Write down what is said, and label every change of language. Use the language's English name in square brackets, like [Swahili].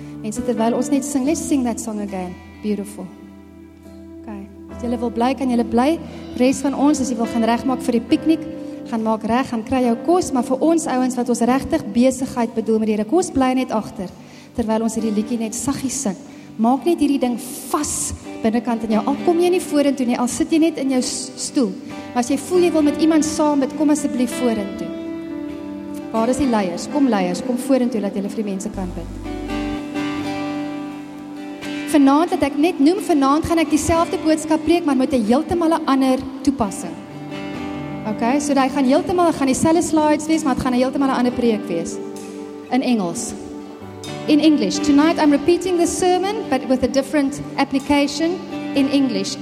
[Afrikaans] Mense terwyl ons net sing, [English] let's sing that song again. [Afrikaans] Beautiful. Okay. As jy wil bly, kan jy bly. Res van ons as jy wil gaan regmaak vir die piknik. Gaan maak reg, gaan kry jou kos, maar vir ons ouens wat ons regtig besigheid bedoel met hierdie kos, bly net agter. Terwyl ons hierdie liedjie net saggies sing. Maak net hierdie ding vas binnekant in jou. Al kom jy nie vorentoe nie, al sit jy net in jou stoel. Maar as jy voel jy wil met iemand saam bid, kom asseblief vorentoe. Waar is die leiers? Kom leiers, kom vorentoe dat julle vir die mense kan bid. Vanaand het ek net noem, vanaand gaan ek dieselfde boodskap preek, maar met 'n heeltemal 'n ander toepassing. Ok, so dat gaan dieselfde slides wees, maar het gaan heeltemal 'n ander preek wees. In Engels. [English] In English. Tonight I'm repeating the sermon, but with a different application in English.